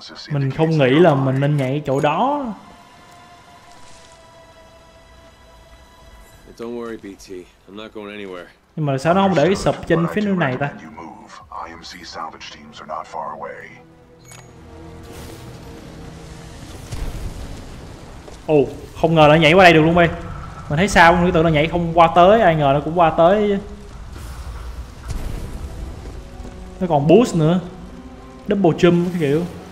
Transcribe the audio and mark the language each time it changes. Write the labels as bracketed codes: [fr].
[vi] Mình không nghĩ là mình nên nhảy chỗ đó. [en] Don't worry, BT. I'm not going anywhere. [vi] Nhưng mà sao nó không để cái sập trên phía nước này ta? [en] IMC salvage teams are not far away. [vi] Ồ, không ngờ nó nhảy qua đây được luôn bây. Mình thấy sao cũng tưởng nó nhảy không qua tới, ai ngờ nó cũng qua tới. Nó còn boost nữa. Double jump cái kiểu.